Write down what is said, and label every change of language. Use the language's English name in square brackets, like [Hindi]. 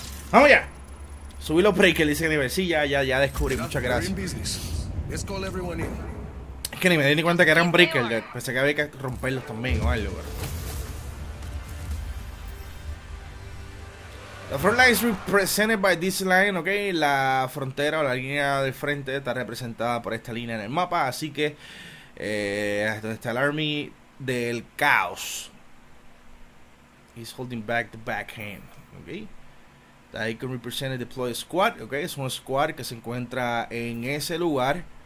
[Spanish] Vamos ya. Subí los breakers, dice nivel. Sí, ya descubrí. Muchas gracias. Es que ni me di ni cuenta que eran breakers. Pensé que había que romperlos también o algo, bro. [English] The front line is represented by this line, ok. [Spanish] La frontera o la línea del frente está representada por esta línea en el mapa. Así que es donde está el army del caos. [English] He's holding back the back hand, ok. That he can represent a deployed squad, ok. [Spanish] Es un squad que se encuentra en ese lugar.